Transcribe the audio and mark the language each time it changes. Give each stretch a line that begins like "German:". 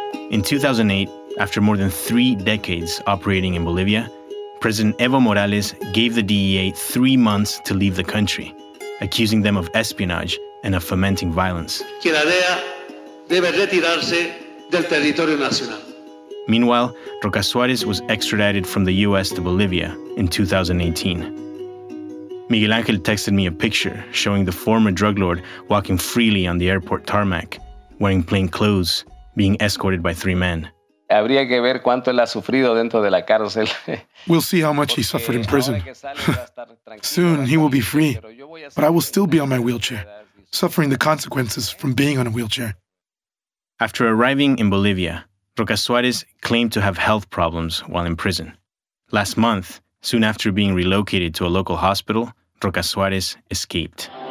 English: In 2008, after more than 3 decades operating in Bolivia, President Evo Morales gave the DEA 3 months to leave the country, accusing them of espionage and of fomenting violence.
Spanish: Que la DEA debe retirarse del territorio nacional.
English: Meanwhile, Roca Suarez was extradited from the U.S. to Bolivia in 2018. Miguel Ángel texted me a picture showing the former drug lord walking freely on the airport tarmac, wearing plain clothes, being escorted by three men.
Spanish: Habría que ver cuánto él ha sufrido dentro de la cárcel.
English: We'll see how much he suffered in prison. Soon he will be free, but I will still be on my wheelchair, suffering the consequences from being on a wheelchair. After arriving in Bolivia, Roca Suarez claimed to have health problems while in prison. Last month, soon after being relocated to a local hospital, Roca Suarez escaped.